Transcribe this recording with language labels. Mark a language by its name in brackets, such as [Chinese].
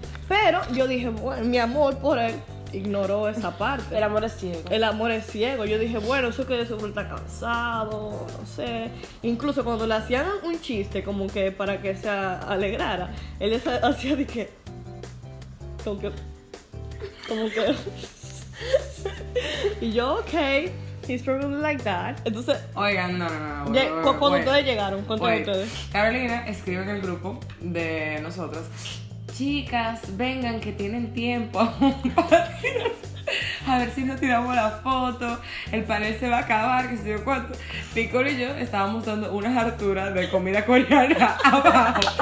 [Spanish] Pero yo dije, bueno, mi amor por él ignoró esa parte. El amor es ciego. El amor es ciego. Yo dije, bueno, eso que de seguro está cansado, no sé. Incluso cuando le hacían un chiste como que para que se alegrara, él hacía de que... Como que... Y yo, [English] okay, he's probably like that. [Spanish] Entonces... Oigan, no. ¿Cuándo ustedes llegaron? Carolina escribe en el grupo de nosotras... Chicas, vengan que tienen tiempo. A ver si nos tiramos la foto. El panel se va a acabar, que sé yo cuánto. Nicole y yo estábamos dando unas harturas de comida coreana abajo.